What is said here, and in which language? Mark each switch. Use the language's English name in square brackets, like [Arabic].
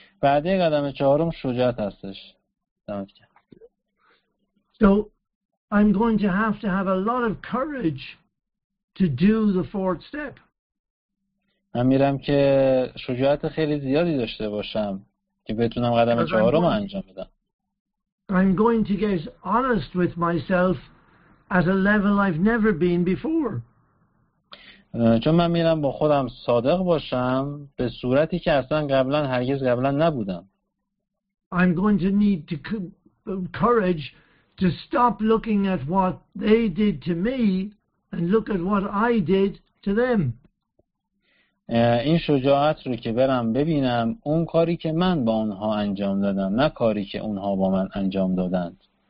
[Persian] بعدی قدم چهارم شجاعت هستش. [English] So I'm going to have a lot of courage to do the fourth step. [Persian] من میرم که شجاعت خیلی زیادی داشته باشم که بتونم قدم چهارم انجام بدم. [English] I'm going to get honest with myself at a level I've never been before. [Persian] چون من میرم با خودم صادق باشم به صورتی که اصلا قبلا هرگز قبلا نبودم. [English] I'm going to need to courage to stop looking at what they did to me and look at what I did to them. [Persian] این شجاعت رو که برم ببینم اون کاری که من با اونها انجام دادم نه کاری که اونها با من انجام دادند.